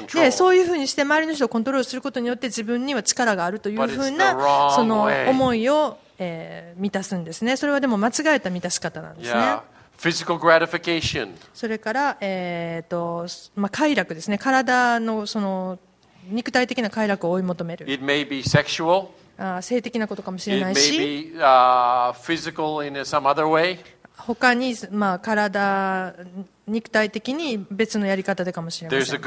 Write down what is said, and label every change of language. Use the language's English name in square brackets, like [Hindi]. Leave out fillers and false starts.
[Japanese] そういうふうにして周りの人をコントロールすることによって自分には力があるというふうなその思いを、満たすんですね。それはでも間違えた満たし方なんですね。 [English] Yeah. Physical gratification. [Japanese] それから、まあ、快楽ですね。体 の, その肉体的な快楽を追い求める。 [English] It may be sexual. [Japanese] 性的なことかもしれないし。 [English] It may be, physical in some other way. [Japanese] 他に、まあ、体肉体的に別のやり方でかもしれません。